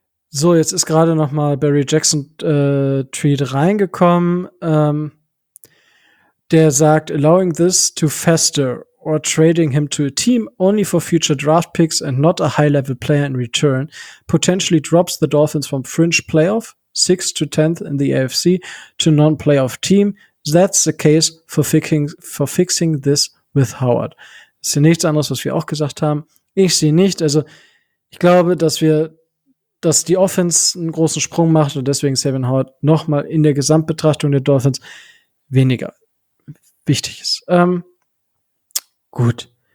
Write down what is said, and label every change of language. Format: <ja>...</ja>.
<de>So, jetzt ist gerade noch mal Barry Jackson Tweet reingekommen. Der sagt,</de> <en>allowing this to fester or trading him to a team only for future draft picks and not a high-level player in return potentially drops the Dolphins from fringe playoff 6th to 10th in the AFC to non-playoff team. That's the case for fixing this with Howard.</en> <de>Das ist ja nichts anderes, was wir auch gesagt haben. Ich sehe nicht. Also ich glaube, dass die Offense einen großen Sprung macht und deswegen Xavier Howard nochmal in der Gesamtbetrachtung der Dolphins weniger wichtig ist. Gut.</de>